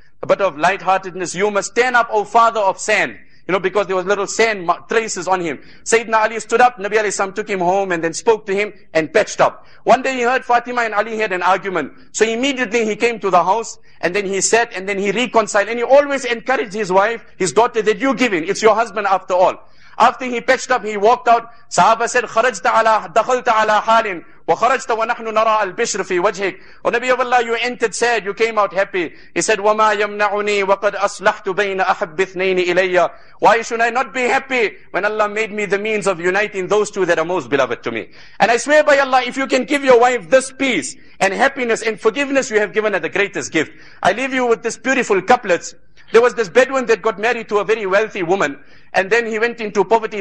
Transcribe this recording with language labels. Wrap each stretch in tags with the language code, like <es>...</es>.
<en>A bit of lightheartedness. You must stand up, O father of sand. You know, because there was little sand traces on him. Sayyidina Ali stood up. Nabi alayhi salam took him home and then spoke to him and patched up. One day he heard Fatima and Ali had an argument. So immediately he came to the house and then he sat and then he reconciled. And he always encouraged his wife, his daughter, that you give in. It's your husband after all. After he patched up, he walked out. Sahaba said,</en> <ar>خَرَجْتَ عَلَى دَخَلْتَ عَلَى حَالٍ وَخَرَجْتَ وَنَحْنُ نَرَى الْبِشْرِ فِي وَجْهِكَ.</ar> <en>O Nabi of Allah, you entered sad, you came out happy. He said,</en> <ar>وَمَا يَمْنَعُنِي وَقَدْ أَصْلَحْتُ بَيْنَ أَحَبِّ اثْنَيْنِ إِلَيَّ.</ar> <en>Why should I not be happy when Allah made me the means of uniting those two that are most beloved to me? And I swear by Allah, if you can give your wife this peace and happiness and forgiveness, you have given her the greatest gift. I leave you with this beautiful couplets. There was this Bedouin that got married to a very wealthy woman, and then he went into poverty.</en>